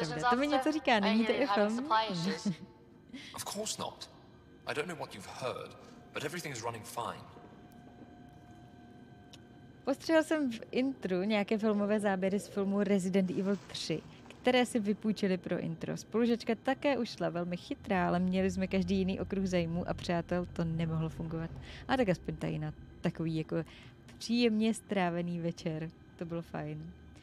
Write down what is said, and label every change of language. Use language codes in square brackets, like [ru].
[cs] To mi něco říká, není to i film? [en] Of course not. I don't know what you've heard, but everything is running fine. [cs] Postřehl jsem v intru nějaké filmové záběry z filmu Resident Evil 3, které si vypůjčili pro intro. Spolužečka také ušla, velmi chytrá, ale měli jsme každý jiný okruh zájmů a přátel, to nemohlo fungovat. A tak aspoň tady na takový jako příjemně strávený večer. To bylo fajn.